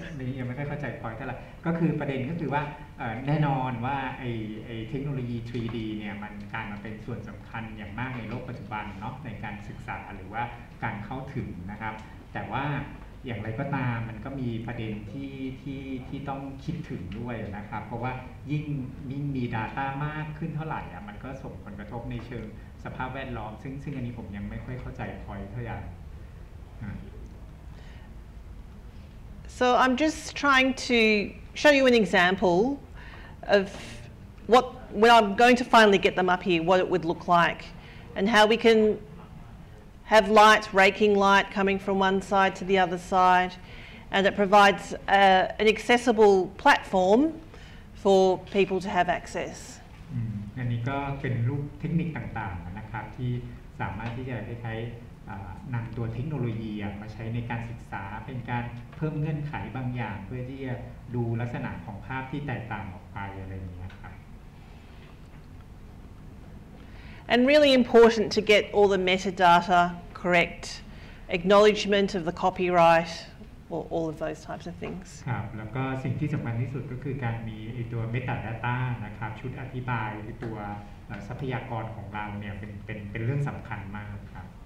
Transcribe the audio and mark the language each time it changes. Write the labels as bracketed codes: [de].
[th] นี่ยังไม่ค่อยเข้าใจ point เท่าไหร่ก็คือประเด็นก็คือว่าแน่นอนว่าไอ้เทคโนโลยี 3D เนี่ยมันการมาเป็นส่วนสำคัญอย่างมากในโลกปัจจุบันเนาะในการศึกษาหรือว่าการเข้าถึงนะครับแต่ว่าอย่างไรก็ตามมันก็มีประเด็นที่ต้องคิดถึงด้วยนะครับเพราะว่ายิ่งมี data มากขึ้นเท่าไหร่อ่ะมันก็ส่งผลกระทบในเชิงสภาพแวดล้อมซึ่งอันนี้ผมยังไม่ค่อยเข้าใจ point เท่าไหร่ [en] So I'm just trying to show you an example of what when I'm going to finally get them up here what it would look like and how we canHave light, raking light coming from one side to the other side, and it provides an accessible platform for people to have access. [th] อันนี้ก็เป็นรูปเทคนิคต่างๆนะครับที่สามารถที่จะใช้นำตัวเทคโนโลยีมาใช้ในการศึกษาเป็นการเพิ่มเงื่อนไขบางอย่างเพื่อที่จะดูลักษณะของภาพที่แตกต่างออกไปอะไรอย่างเงี้ย [en] And really important to get all the metadata correct, acknowledgement of the copyright, or all of those types of things. [th] ครับแล้วก็สิ่งที่สำคัญที่สุดก็คือการมีตัว metadata นะครับชุดอธิบายตัวทรัพยากรของเราเนี่ยเป็นเรื่องสำคัญมากครับ